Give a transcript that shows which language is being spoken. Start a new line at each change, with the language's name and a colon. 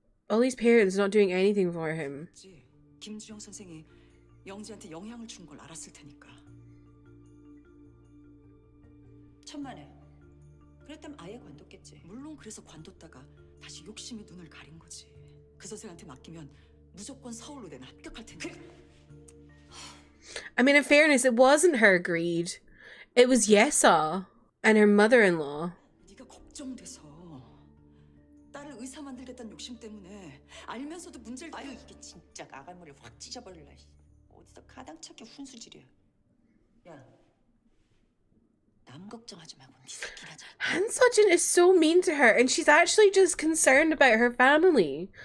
English: All these parents not doing anything for him.
Korean: 김주영 선생이 영재한테 영향을 준 걸 알았을 테니까. 천만에. 그랬다면 아예 관뒀겠지. 물론 그래서 관뒀다가 다시 욕심이 눈을 가린 거지. 그 선생한테 맡기면 무조건 서울로 내는 합격할 텐데.
English: 그... I mean, in fairness, it wasn't her greed. It was Yesa and her mother-in-law.
Korean: 네가 걱정돼서 딸을 의사 만들겠다는 욕심 때문에 알면서도 문제를 아유 이게 진짜 아갈머리 확 찢어버릴라. 어디서 가당찾게 훈수질이야. 야. 남 걱정하지 말고 네 새끼라자.
English: Han Seo-jin is so mean to her, and she's actually just concerned about her family.